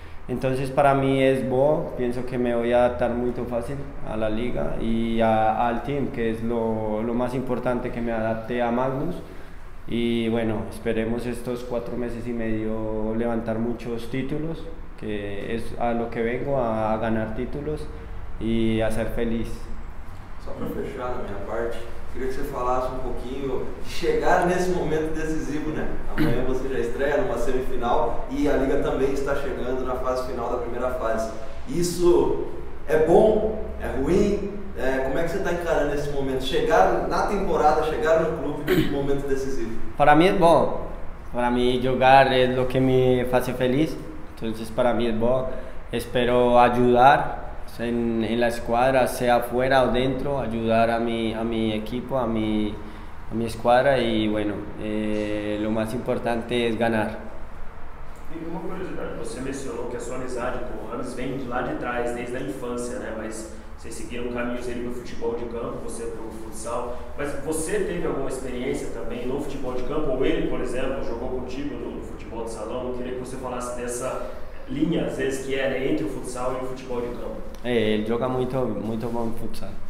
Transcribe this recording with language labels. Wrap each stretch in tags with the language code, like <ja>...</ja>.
<es>Entonces para mí es bueno, pienso que me voy a adaptar muy fácil a la liga y al team, que es lo más importante, que me adapte a Magnus. Y bueno, esperemos estos 4 meses y medio levantar muchos títulos, que es a lo que vengo, a ganar títulos y a ser feliz.</es> <pt>Só para fechar da minha parte, queria que você falasse um pouquinho de chegar nesse momento decisivo, né? Amanhã você já estreia numa semifinal e a liga também está chegando na fase final da primeira fase. Isso é bom? É ruim? Como é que você está encarando esse momento? Chegar na temporada, chegar no clube nesse momento decisivo? Para mim é bom. Para mim jogar é o que me faz feliz. Então, para mim é bom.</pt> <es>Espero ajudar en la escuadra, sea fuera o dentro, ayudar a mi equipo, a mi escuadra, y bueno, lo más importante es ganar. Y una curiosidad, usted mencionó que su amistad con Hans viene de</es> <pt>lá de trás,</pt> <es>desde la infancia, ¿no?</es> <pt>Mas vocês seguiram caminhos, ele no futebol de campo, você para o futsal. Mas você teve alguma experiência também no futebol de campo, ou ele, por exemplo, jogou contigo no futebol de salão? Eu queria que você falasse dessa linha, às vezes, que era entre o futsal e o futebol de campo. Ele joga muito, muito bom no futsal.</pt>